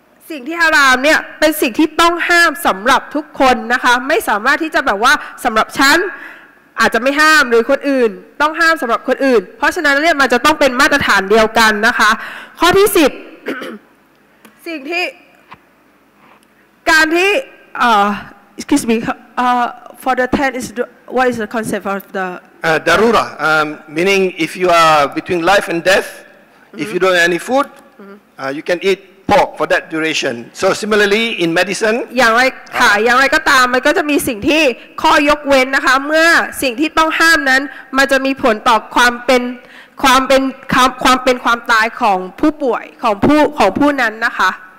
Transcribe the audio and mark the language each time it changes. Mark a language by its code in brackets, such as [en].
[th] สิ่งที่ฮารามเนี่ยเป็นสิ่งที่ต้องห้ามสำหรับทุกคนนะคะไม่สามารถที่จะแบบว่าสำหรับฉันอาจจะไม่ห้ามหรือคนอื่นต้องห้ามสำหรับคนอื่นเพราะฉะนั้นเนี่ยมันจะต้องเป็นมาตรฐานเดียวกันนะคะข้อที่10 สิ่งที่การที่ [en] excuse me for the 10 is what is the concept of the darura meaning if you are between life and death if you don't have any food You can eat pork for that duration. So similarly in medicine. [th] อย่างไรค่ะอย่างไรก็ตามมันก็จะมีสิ่งที่ข้อยกเว้นนะคะเมื่อสิ่งที่ต้องห้ามนั้นมันจะมีผลต่อความเป็นความตายของผู้ป่วยของผู้นั้นนะคะ